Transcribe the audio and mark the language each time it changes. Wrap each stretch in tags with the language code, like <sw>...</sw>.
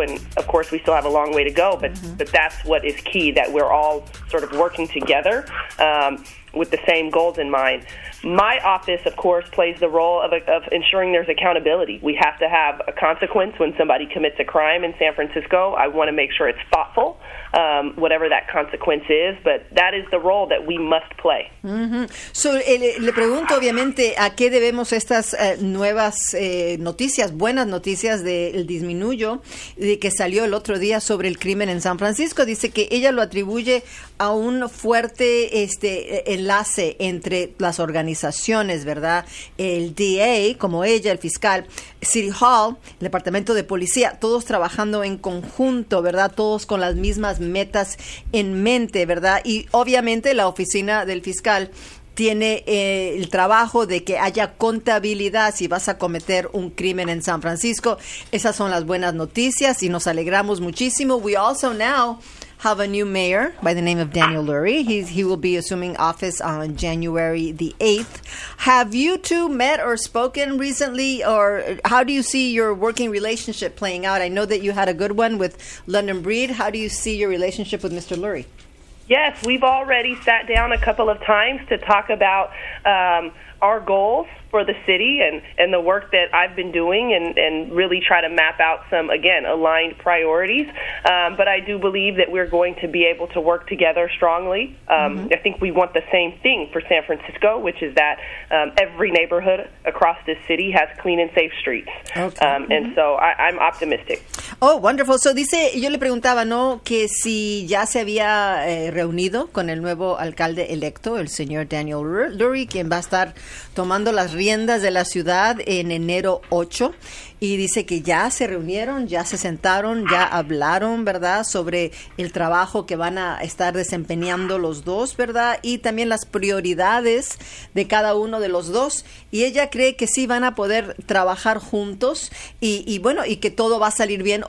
<en>And, of course, we still have a long way to go, but, mm-hmm. but that's what is key, that we're all sort of working together with the same goals in mind. My office, of course, plays the role of ensuring there's accountability. We have to have a consequence when somebody commits a crime in San Francisco. I want to make sure it's thoughtful, whatever that consequence is, but that is the role that we must play. Mm-hmm.</en> <es>So, le pregunto, obviamente, ¿a qué debemos estas nuevas noticias, buenas noticias del disminuyo de que salió el otro día sobre el crimen en San Francisco? Dice que ella lo atribuye a un fuerte enlace entre las organizaciones, ¿verdad? El DA, como ella, el fiscal, City Hall, el Departamento de Policía, todos trabajando en conjunto, ¿verdad? Todos con las mismas metas en mente, ¿verdad? Y obviamente la oficina del fiscal tiene el trabajo de que haya contabilidad si vas a cometer un crimen en San Francisco. Esas son las buenas noticias y nos alegramos muchísimo.</es> <en>We also now have a new mayor by the name of Daniel Lurie. He will be assuming office on January the 8th. Have you two met or spoken recently, or how do you see your working relationship playing out? I know that you had a good one with London Breed. How do you see your relationship with Mr. Lurie? Yes, we've already sat down a couple of times to talk about our goals for the city and the work that I've been doing, and really try to map out some, again, aligned priorities. But I do believe that we're going to be able to work together strongly. Mm-hmm. I think we want the same thing for San Francisco, which is that every neighborhood across this city has clean and safe streets. Okay. And so I'm optimistic. Oh, wonderful.</en> <es>So dice, yo le preguntaba, ¿no?, que si ya se había reunido con el nuevo alcalde electo, el señor Daniel Lurie, quien va a estar tomando las riendas de la ciudad en enero 8, y dice que ya se reunieron, ya se sentaron, ya hablaron, ¿verdad?, sobre el trabajo que van a estar desempeñando los dos, ¿verdad?, y también las prioridades de cada uno de los dos, y ella cree que sí van a poder trabajar juntos y bueno, y que todo va a salir bien.</es>